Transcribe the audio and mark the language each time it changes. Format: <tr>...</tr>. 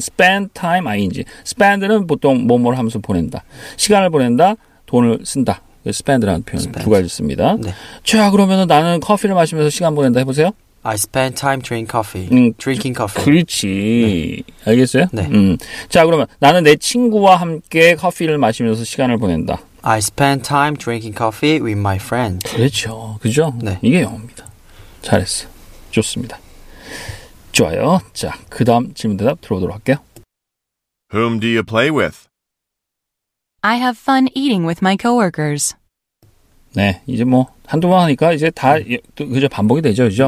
<en>Spend time ing.</en> <ko>Spend는 보통 뭐뭐 하면서 보낸다. 시간을 보낸다. 돈을 쓴다. spend라는 표현 spend. 두 가지 씁니다. 네. 자, 그러면 나는 커피를 마시면서 시간 보낸다 해보세요.</ko> <en>I spend time drink coffee. Drinking coffee.</en> <ko>그렇지. 네. 알겠어요? 네. 자, 그러면 나는 내 친구와 함께 커피를 마시면서 시간을 보낸다.</ko> <en>I spend time drinking coffee with my friend.</en> <ko>그렇죠. 그죠? 네. 이게 영어입니다. 잘했어. 좋습니다. 좋아요. 자, 그 다음 질문 대답 들어보도록 할게요.</ko> <en>Whom do you play with? I have fun eating with my coworkers.</en> <ko>네, 이제 뭐 한두 번 하니까 이제 다 그저 반복이 되죠, 그죠?</ko>